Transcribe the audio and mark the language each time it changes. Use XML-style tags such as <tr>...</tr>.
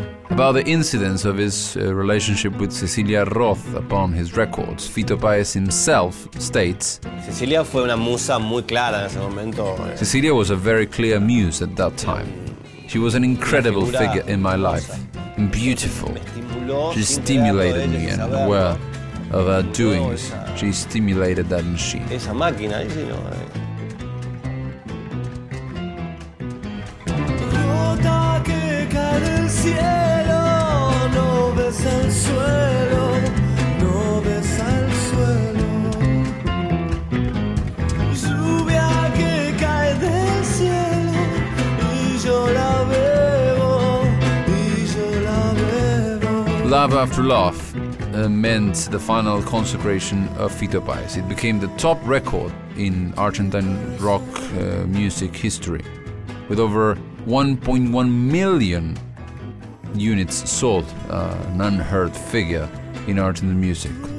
<en>About the incidents of his relationship with Cecilia Roth upon his records, Fito Páez himself states,</en> <es>Cecilia fue una musa muy clara en ese momento.</es> <en>Cecilia was a very clear muse at that time. She was an incredible figure in my life, and beautiful. She stimulated me and aware of her doings. She stimulated that machine.</en> <es>Esa máquina,</es> <en>you know.</en> <es>Gota que cae del cielo, no besa el suelo, no besa el suelo. Lluvia que cae del cielo, y yo la bebo, y yo la bebo.</es> <en>Love after love meant the final consecration of Fito Páez. It became the top record in Argentine rock music history, with over 1.1 million units sold, an unheard figure in Argentine music.</en>